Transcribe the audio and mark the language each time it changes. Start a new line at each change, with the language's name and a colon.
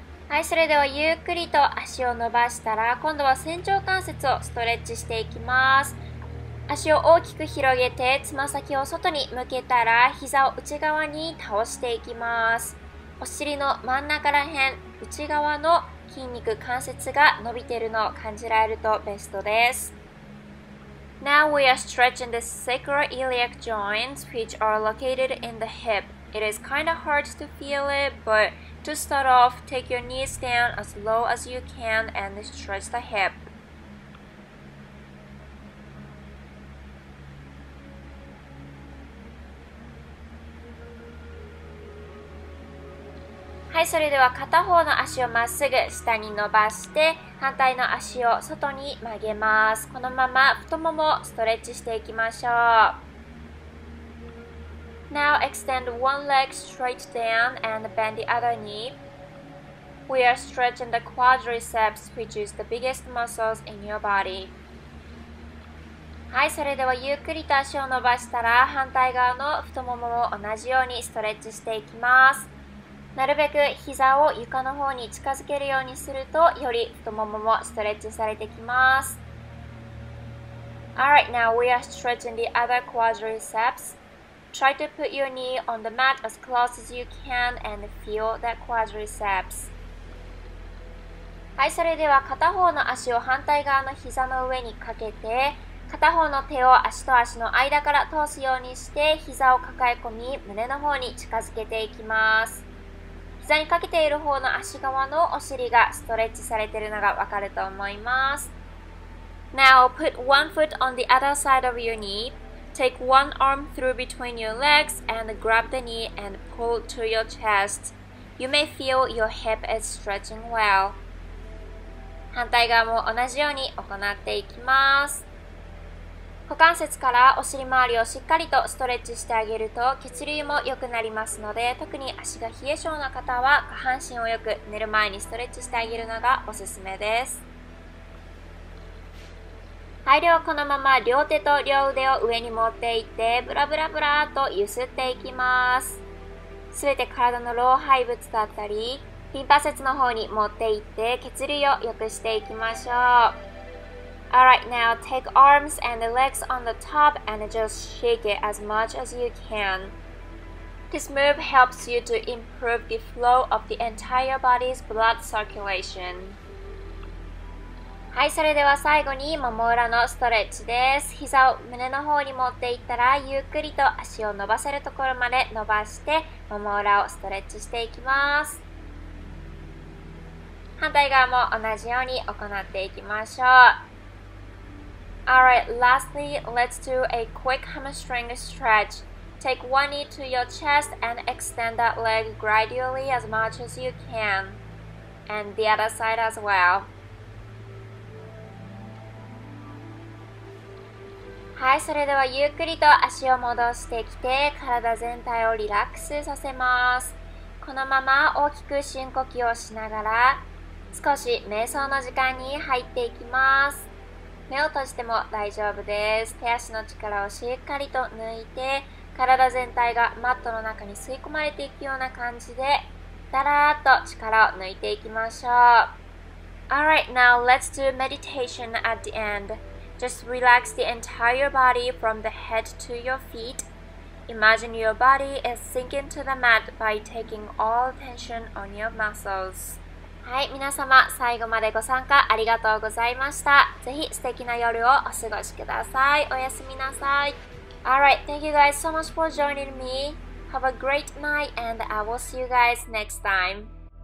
Japanese: はい、それではゆっくりと足を伸ばしたら、今度は仙腸関節をストレッチしていきます。足を大きく広げて、つま先を外に向けたら、膝を内側に倒していきます。お尻の真ん中ら辺、内側の筋肉関節が伸びているのを感じられるとベストです。
English: Now we are stretching the sacroiliac joints, which are located in the hip. It is kind of hard to feel it, butTo start off, take your knees down as low as you can and stretch the hip.
Japanese: はい、それでは片方の足をまっすぐ下に伸ばして、反対の足を外に曲げます。このまま太ももをストレッチしていきましょう。
English: Now extend one leg straight down and bend the other knee. We are stretching the quadriceps, which is the biggest muscles in your body.
Japanese: はい、それではゆっくりと足を伸ばしたら、反対側の太ももも同じようにストレッチしていきます。なるべく膝を床の方に近づけるようにすると、より太もももストレッチされてきます。
English: Alright, now we are stretching the other quadriceps. Try to put your knee on the mat as close as you can and feel that quadriceps.
Japanese: はい、それでは片方の足を反対側の膝の上にかけて、片方の手を足と足の間から通すようにして、膝を抱え込み、胸の方に近づけていきます。膝にかけている方の足側のお尻がストレッチされているのがわかると思います。
English: Now put one foot on the other side of your knee. Take one arm through between your legs and grab the knee and pull to your chest. You may feel your hip is stretching well.
Japanese: 反対側も同じように行っていきます。股関節からお尻周りをしっかりとストレッチしてあげると血流も良くなりますので、特に足が冷え性な方は下半身をよく寝る前にストレッチしてあげるのがおすすめです。はい、ではこのまま両手と両腕を上に持っていって、ブラブラブラーと揺すっていきます。すべて体の老廃物だったり、リンパ節の方に持っていって血流を良くしていきましょう。
English: Alright, now take arms and legs on the top and just shake it as much as you can. This move helps you to improve the flow of the entire body's blood circulation.
Japanese: はい、それでは最後にもも裏のストレッチです。膝を胸の方に持っていったら、ゆっくりと足を伸ばせるところまで伸ばして、もも裏をストレッチしていきます。反対側も同じように行っていきましょう。
English: Alright, lastly, let's do a quick hamstring stretch. Take one knee to your chest and extend that leg gradually as much as you can. And the other side as well.
Japanese: はい、それではゆっくりと足を戻してきて、体全体をリラックスさせます。このまま大きく深呼吸をしながら、少し瞑想の時間に入っていきます。目を閉じても大丈夫です。手足の力をしっかりと抜いて、体全体がマットの中に吸い込まれていくような感じで、だらーっと力を抜いていきましょう。
English: Alright, now let's do meditation at the end. Just relax the entire body from the head to your feet. Imagine your body is sinking to the mat by taking all tension on your muscles.
Japanese: はい、皆様最後までご参加ありがとうございました。ぜひ素敵な夜をお過ごしください。おやすみなさい。
English: Alright, thank you guys so much for joining me. Have a great night and I will see you guys next time.